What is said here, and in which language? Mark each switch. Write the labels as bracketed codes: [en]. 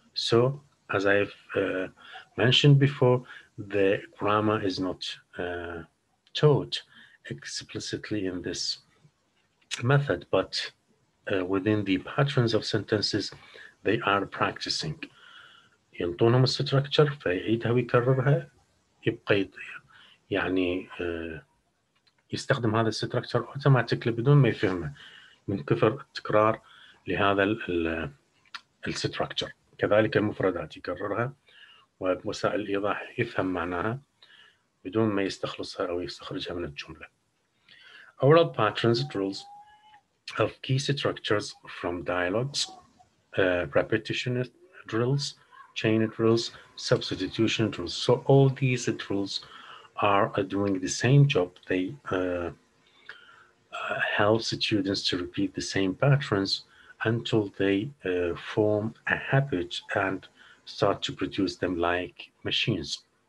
[en] So as I've mentioned before, the grammar is not taught explicitly in this method, but within the patterns of sentences, they are practicing. [ar] يعطونهم الستركتشر فيعيدها ويكررها يبقى يعني يستخدم هذا الستركتشر اوتوماتيكلي بدون ما يفهمه من كثر التكرار لهذا الستركتشر. كذلك المفردات يكررها ووسائل الايضاح يفهم معناها بدون ما يستخلصها او يستخرجها من الجمله. [en] Oral patterns, drills of key structures from dialogues, repetition drills, chain drills, substitution drills. So all these drills are doing the same job. They help students to repeat the same patterns until they form a habit and start to produce them like machines.